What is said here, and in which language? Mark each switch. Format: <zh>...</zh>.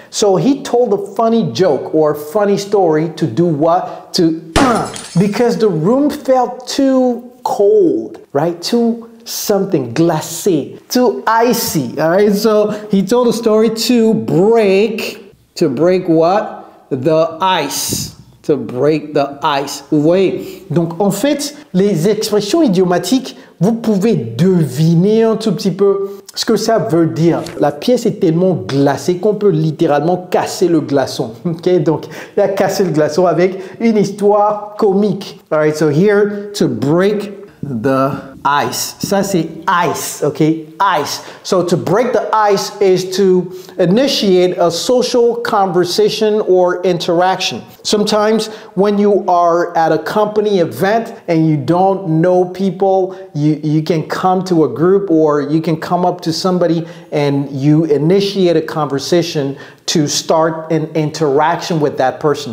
<en>So he told a funny joke or a funny story to do what? To because the room felt too cold, right? Too something, glacé, too icy, all right? So he told a story to break what? The ice, to break the ice.</en> <fr>Vous voyez? Donc en fait, les expressions idiomatiques, vous pouvez deviner un tout petit peu ce que ça veut dire. La pièce est tellement glacée qu'on peut littéralement casser le glaçon. Okay? Donc, il a cassé le glaçon avec une histoire comique.</fr> <en>All right, so here, to break the ice.</en> <fr>Ça, c'est</fr> <en>ice, okay? Ice. So to break the ice is to initiate a social conversation or interaction. Sometimes when you are at a company event and you don't know people, you can come to a group or you can come up to somebody and you initiate a conversation to start an interaction with that person.</en>